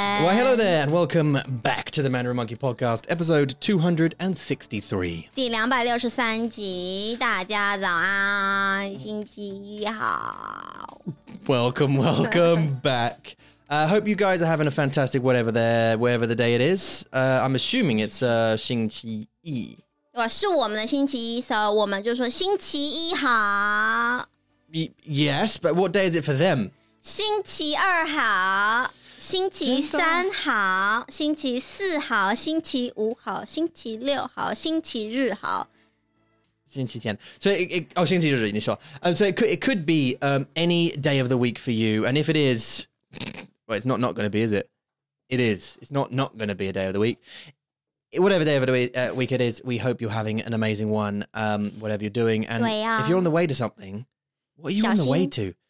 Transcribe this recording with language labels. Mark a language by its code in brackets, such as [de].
[en] Well, hello there, and welcome back to the Mandarin Monkey Podcast, episode 263. [zh] 263集，大家早安，星期一好。 [en] Welcome, welcome back. I hope you guys are having a fantastic whatever there, wherever the day it is. I'm assuming it's 星期一。 [zh] 哇，是我们的星期一，so 我们就说星期一好。 [en] Yes, but what day is it for them? [zh] 星期二好，星期三好，星期四好，星期五好，星期六好，星期日好，星期天。 [en] So it [zh] 星期日你说。 [en] So it could be any day of the week for you. And if it is, well, it's not going to be, is it? It is. It's not going to be a day of the week. Whatever day of the week it is, we hope you're having an amazing one, whatever you're doing. And if you're on the way to something, what are you on the way to?